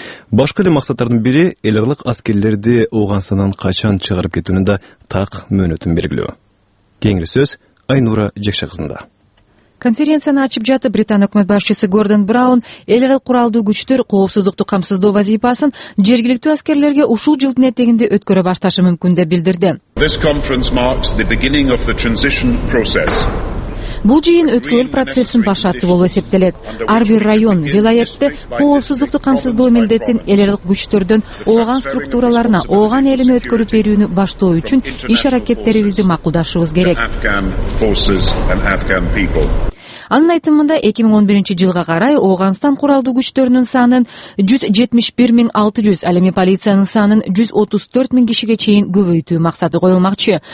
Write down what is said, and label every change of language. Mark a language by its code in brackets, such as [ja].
[ky] Башка эле максаттардын бири эл аралык аскерлерди Оогансандан качан чыгарып кетүүнүн да так мөөнөтүн белгилөө. Кеңири сөз Айнура Жекше кызында. Конференцияны ачып жатып, Британ өкмөт башчысы Гордон Браун эл аралык куралдуу күчтөр коопсуздукту камсыздоо вазифасын жергиликтүү аскерлерге ушул жылдын этегинде өткөрө башташы мүмкүн деп билдирди. [en] This conference marks the beginning of the transition process. [ky] Бул жыйын өткөрүл процессин башаты болуп эсептелет. Ар бир район, вилаетте коопсуздукту камсыздоо милдетин эл аралык күчтөрдөн ооган структураларына, ооган элине өткөрүп берүүнү баштоо үчүн иш аракеттерибизди макулдашыбыз керек. Анын айтымында 2011 жылга карай Ооганстан куралдуу күчтөрүнүн санын 171 600, ал эми полициянын санын 134 000 кишиге чейин көбөйтүү максаты коюлмакчы.